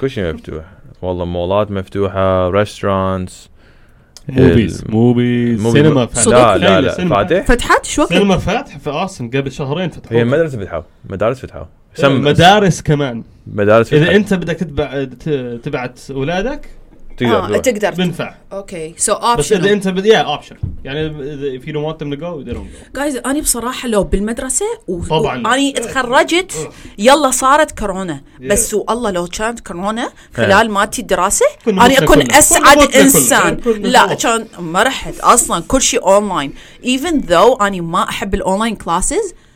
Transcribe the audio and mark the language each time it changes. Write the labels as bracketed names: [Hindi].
[Arabic] كل شيء مفتوح والله مولات مفتوحة ريستورانتس موبيز سينما فاتح لا فاتح فتحت شو وقت سينما فاتح في أوستن قبل شهرين فتحوا هي مدارس فتحوا مدارس فتحوا مدارس كمان مدارس فتحة. إذا أنت بدك تبعت أولادك تقدر بنفع أوكي سو أوبشن إذا أنت بدي يا أوبشن يعني [English] if you don't want them to go they don't go [Arabic] guys أنا بصراحة لو بالمدرسة طبعاً أنا اتخرجت يلا صارت كورونا بس والله لو كانت كورونا خلال ماتي الدراسة أنا أكون أسعد إنسان لا كان ما رحت أصلاً كل شيء أونلاين [English] even though [Arabic] أنا ما أحب الأونلاين كلاسز